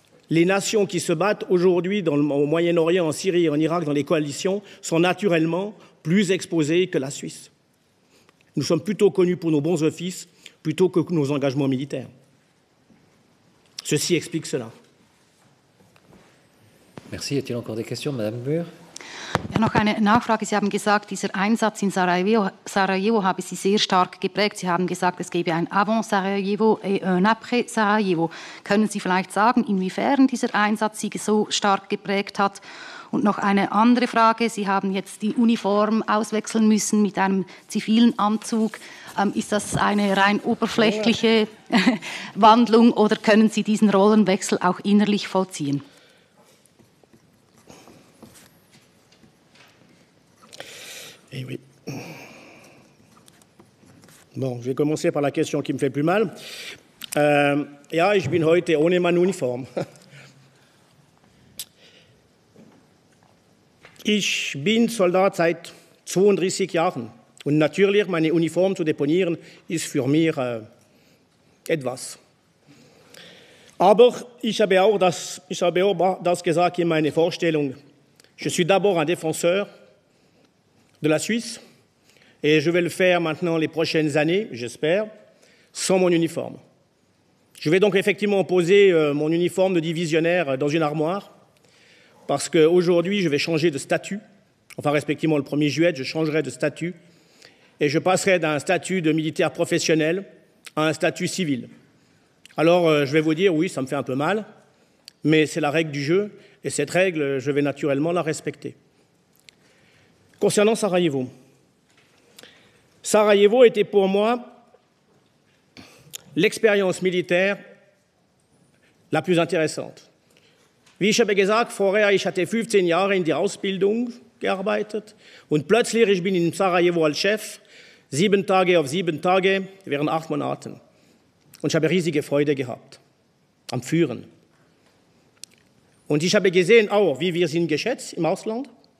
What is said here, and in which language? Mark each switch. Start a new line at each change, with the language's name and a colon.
French: Les nations qui se battent aujourd'hui au Moyen-Orient, en Syrie, en Irak, dans les coalitions, sont naturellement plus exposées que la Suisse. Nous sommes plutôt connus pour nos bons offices plutôt que nos engagements militaires. Ceci explique cela. Merci. Y a-t-il encore des questions, Madame Buhr?
German: Ja, noch eine Nachfrage. Sie haben gesagt, dieser Einsatz in Sarajevo habe Sie sehr stark geprägt. Sie haben gesagt, es gebe ein
French: Avant Sarajevo et un Après Sarajevo.
German: Können Sie vielleicht sagen, inwiefern dieser Einsatz Sie so stark geprägt hat? Und noch eine andere Frage. Sie haben jetzt die Uniform auswechseln müssen mit einem zivilen Anzug. Ist das eine rein oberflächliche Wandlung oder können Sie diesen Rollenwechsel auch innerlich vollziehen?
French: Eh oui. Bon, je vais commencer par la question qui me fait plus mal.
German: Ja, ich bin heute ohne meine Uniform. Ich bin Soldat seit 32 Jahren. Und natürlich, meine Uniform zu deponieren, ist für mich etwas. Aber ich habe auch das gesagt in meiner Vorstellung.
French: Je suis d'abord un défenseur de la Suisse, et je vais le faire maintenant les prochaines années, j'espère, sans mon uniforme. Je vais donc effectivement poser mon uniforme de divisionnaire dans une armoire, parce qu'aujourd'hui, je vais changer de statut, enfin, respectivement, le 1er juillet, je changerai de statut, et je passerai d'un statut de militaire professionnel à un statut civil. Alors, je vais vous dire, oui, ça me fait un peu mal, mais c'est la règle du jeu, et cette règle, je vais naturellement la respecter. Concernant Sarajevo. Sarajevo était pour moi l'expérience militaire la plus intéressante.
German: Wie ich habe gesagt, vorher, ich hatte 15 Jahre in der Ausbildung gearbeitet und plötzlich, ich bin in Sarajevo als Chef, 7 Tage auf 7 Tage, während 8 Monaten. Und ich habe riesige Freude gehabt am Führen. Und ich habe gesehen auch, wie wir sind geschätzt im Ausland.